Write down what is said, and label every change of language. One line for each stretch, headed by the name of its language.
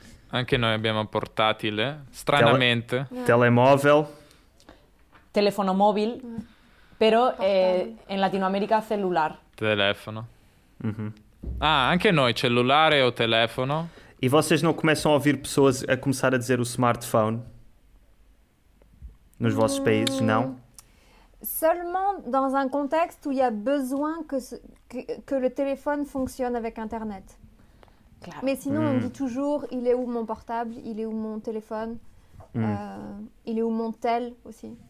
Italian: Anche noi abbiamo portátil, stranamente.
Portuguese: Telemóvel.
Spanish: Teléfono móvil, pero en Latinoamérica celular. Teléfono.
Italian: Ah, anche noi, cellulare o telefono.
Portuguese: E vocês não começam a ouvir pessoas a começar a dizer o smartphone nos vossos países, não?
French: Seulement dans un contexte où il y a besoin que le téléphone fonctionne avec internet. Claro. Mais sinon on dit toujours il est où mon portable, il est où mon téléphone, il est où mon tel aussi.